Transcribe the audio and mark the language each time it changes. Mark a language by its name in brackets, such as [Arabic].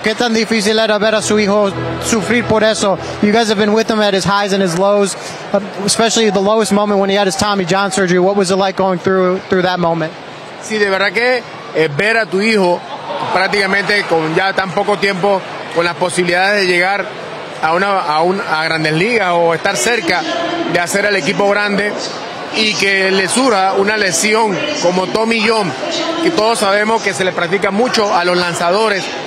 [Spanish] ¿Qué tan difícil era ver a su hijo sufrir por eso? [English] You guys have been with him at his highs and his lows, especially the lowest moment when he had his Tommy John surgery. What was it like going through that moment? [Spanish] Sí, de verdad que ver a tu hijo prácticamente con ya tan poco tiempo, con las posibilidades de llegar a Grandes Ligas o estar cerca de hacer el equipo grande, y que le surja una lesión como Tommy John, que todos sabemos que se le practica mucho a los lanzadores.